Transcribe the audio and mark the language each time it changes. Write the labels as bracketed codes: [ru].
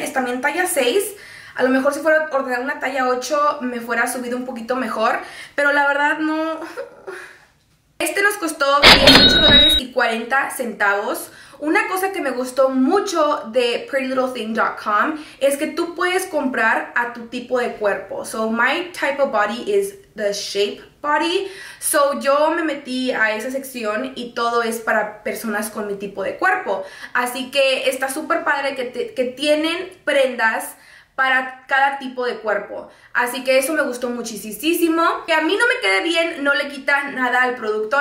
[es] Es también talla 6, a lo mejor si fuera a ordenar una talla 8 me fuera subido un poquito mejor, pero la verdad no. Este nos costó $18.40. Una cosa que me gustó mucho de PrettyLittleThing.com es que tú puedes comprar a tu tipo de cuerpo. [en] So, my type of body is the shape body. [es] So, yo me metí a esa sección y todo es para personas con mi tipo de cuerpo. Así que está súper padre que tienen prendas para cada tipo de cuerpo. Así que eso me gustó muchísimo. Que a mí no me quede bien, no le quita nada al producto.